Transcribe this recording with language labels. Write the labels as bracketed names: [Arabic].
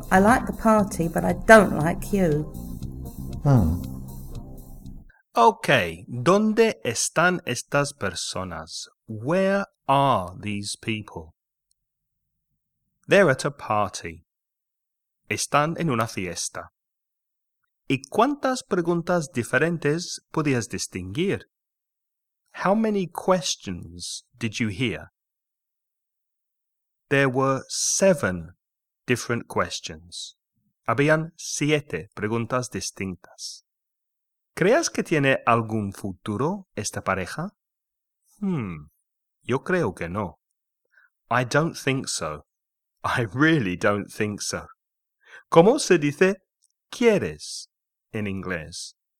[English] I like the party, but I don't like you. [Spanish] Okay, ¿dónde están estas personas? [English] Where are these people? They're at a party. [Spanish] Están en una fiesta. ¿Y cuántas preguntas diferentes podías distinguir? [English] How many questions did you hear? There were 7 different questions. [Spanish] Habían 7 preguntas distintas. ¿Crees que tiene algún futuro esta pareja? Yo creo que no. [English] I don't think so. I really don't think so. [Spanish] ¿Cómo se dice quieres en inglés?